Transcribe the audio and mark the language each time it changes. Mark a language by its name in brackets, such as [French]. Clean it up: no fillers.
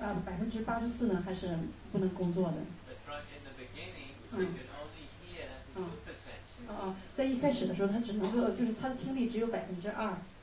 [Chinese] 那现在呢，他的听力呢就恢复了百分之十六，百分之八十四呢还是不能工作的。 [English] But in the beginning, he could only hear 2%. [Chinese] 在一开始的时候，他只能够就是他的听力只有百分之二。